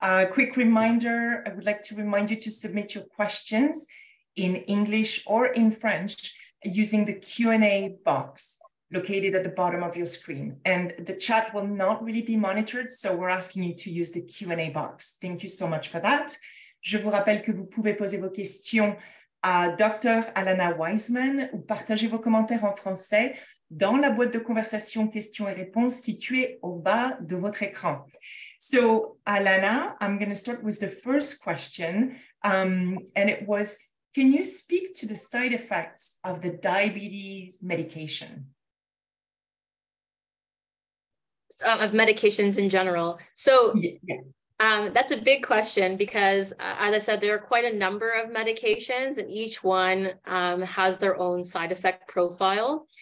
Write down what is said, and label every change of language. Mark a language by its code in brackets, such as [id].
[en] Quick reminder, I would like to remind you to submit your questions in English or in French using the Q&A box located at the bottom of your screen. And the chat will not really be monitored, so we're asking you to use the Q&A box. Thank you so much for that. [fr] Je vous rappelle que vous pouvez poser vos questions à Dr. Alanna Weisman ou partager vos commentaires en français dans la boîte de conversation questions et réponses située au bas de votre écran. [en] So, Alanna, I'm going to start with the first question. And it was, can you speak to the side effects of the diabetes medication? Of medications in general. So, that's a big question because, as I said, there are quite a number of medications and each one has their own side effect profile.